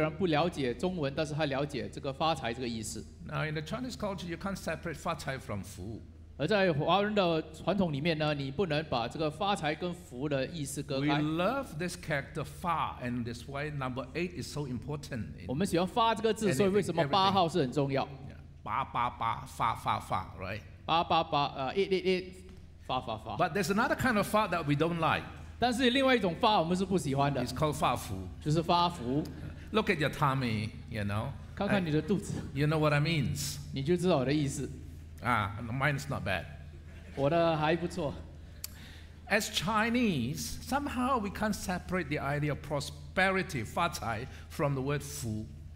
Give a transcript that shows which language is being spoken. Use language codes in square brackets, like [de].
[zh] 所以呢，我有一些外国的朋友，虽然不了解中文，但是他了解这个发财这个意思。 [en] Now in the Chinese culture, you can't separate 发财from福。 [zh] 而在华人的传统里面呢，你不能把这个发财跟福的意思割开。 [en] We love this character fa, and that's why number 8 is so important. [zh] 我们喜欢发这个字，所以为什么八号是很重要？八八八 fa fa fa, [en] right? [zh] 八八八 [en] eight [zh] fa fa fa. [en] But there's another kind of fa that we don't like. [zh] 但是另外一种发我们是不喜欢的。 [en] It's called 发福。 [zh] 就是发福。 [en] Look at your tummy, you know. [zh] 看看你的肚子。 [en] You know what I mean. [zh] 你就知道我的意思。 [en] Mine's not bad. [zh] 我的还不错。 [en] As Chinese, somehow we can't separate the idea of prosperity, 发财, from the word 福。